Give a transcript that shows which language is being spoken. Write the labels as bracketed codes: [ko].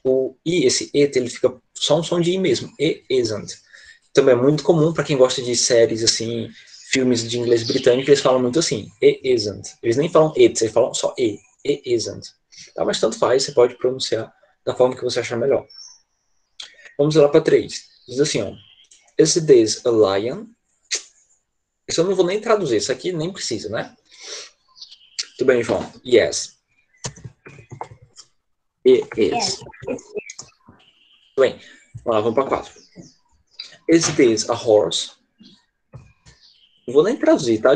[pt] O I, esse it, ele fica só um som de I mesmo, [en] it isn't. [pt] Também é muito comum para quem gosta de séries, assim, filmes de inglês britânico, eles falam muito assim, [en] it isn't. [pt] Eles nem falam it, eles falam só e, [en] it isn't. [pt] Tá? Mas tanto faz, você pode pronunciar da forma que você achar melhor. Vamos lá para 3. Diz assim, ó, [en] is this a lion? [pt] Isso eu não vou nem traduzir, isso aqui nem precisa, né? Tudo bem, João? [en] Yes. It is. [pt] Tudo bem, vamos lá, vamos para 4. [en] Is this a horse? [pt] Não vou nem traduzir, tá?